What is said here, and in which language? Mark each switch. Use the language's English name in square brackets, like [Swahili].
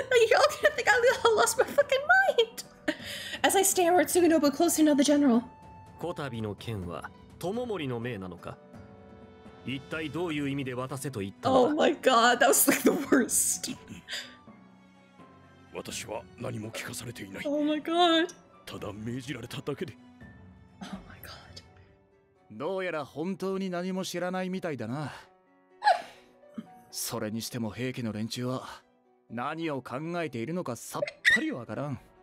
[English] You're all gonna think I lost my fucking mind! As I stammered, Tsugunobu closed in on the general. [Japanese] こたびの件は、トモモリの命なのか？一体どういう意味で渡せと言ったのか？ [English] Oh my god, that was like the worst. [Japanese] 私は何も聞かされていない。 [English] Oh my god. [Japanese] ただ命じられただけで。どうやら本当に何も知らないみたいだな。それにしても平家の連中は何を考えているのかさっぱりわからん。